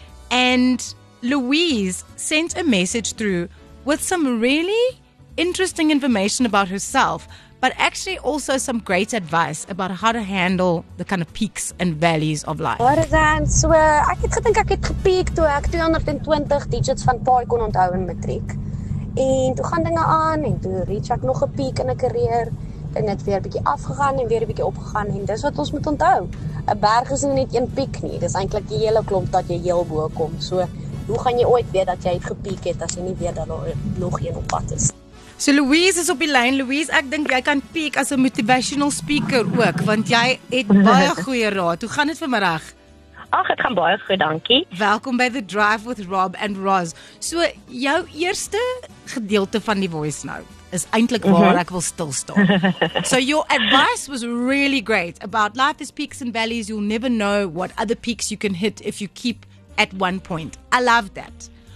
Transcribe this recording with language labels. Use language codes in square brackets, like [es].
[en] And Louise sent a message through with some really interesting information about herself, but actually also some great advice about how to handle the kind of peaks and valleys of life. What is that? So, I think I had peaked when I had 220 digits from PAI [af] kon onthou in matriek. En toe gaan dinge aan en toe reach ek nog 'n piek in 'n karier en het weer 'n bietjie afgegaan en weer 'n bietjie opgegaan en dis wat ons moet onthou. 'n Berg is nie net een piek nie, dis eintlik die hele klomp dat jy heel bo kom. So, hoe gaan jy ooit weet dat jy het gepiek het as jy nie weet dat daar nog een op pad is? So Louise is op die lyn. Louise, ek dink jy kan piek as 'n motivational speaker ook, want jy het baie goeie raad. Hoe gaan dit vir my reg? Ag, ek gaan baie goed, dankie. Welkom by The Drive with Rob and Roz. So, jou eerste gedeelte van die voice note is eintlik waar ek wil stilstaan. [en] So, your advice was really great about life is peaks and valleys. You'll never know what other peaks you can hit if you keep at one point. I love that.